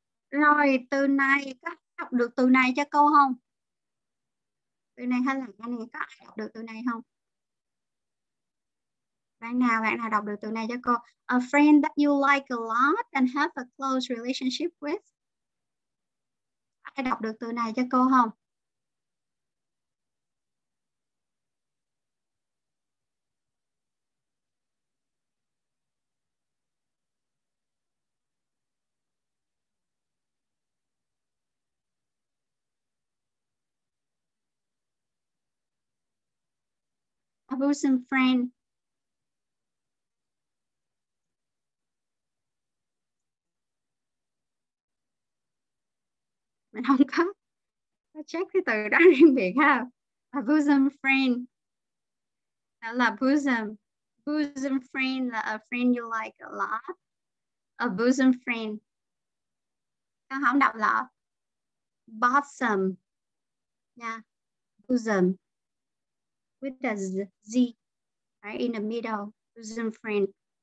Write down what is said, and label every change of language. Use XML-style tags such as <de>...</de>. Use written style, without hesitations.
<vi>Rồi từ này có học được từ này cho cô không? Từ này hay là anh có học được từ này không? Bạn nào đọc được từ này cho cô?</vi> <en>A friend that you like a lot and have a close relationship with.</en> <vi>Ai đọc được từ này cho cô không?</vi> <en>A bosom friend.</en> <vi>Mình không có check cái từ đó riêng biệt ha.</vi> <en>A bosom friend.</en> <vi>Đó là</vi> <en>bosom. Bosom friend là a friend you like a lot. A bosom friend.</en> <vi>Con không đọc là</vi> <en>bosom. Yeah. Bosom. With the Z, right in the middle, bosom friend.</en>